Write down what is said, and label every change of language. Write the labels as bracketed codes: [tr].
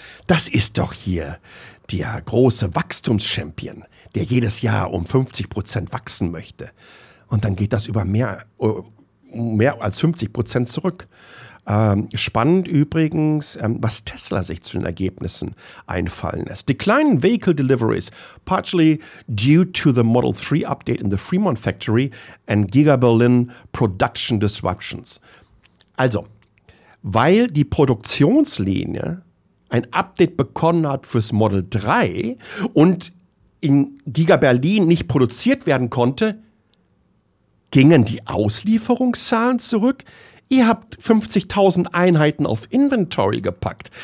[de] Das ist doch hier der große Wachstumschampion, der jedes Jahr um 50% wachsen möchte. Und dann geht das über mehr als 50% zurück. Spannend übrigens, was Tesla sich zu den Ergebnissen einfallen lässt. [en] Declining vehicle deliveries, partially due to the Model 3 update in the Fremont factory and Giga Berlin production disruptions. [de] Also, weil die Produktionslinie ein Update bekommen hat fürs Model 3 und in Giga Berlin nicht produziert werden konnte, gingen die Auslieferungszahlen zurück. Ihr habt 50.000 Einheiten auf Inventory gepackt.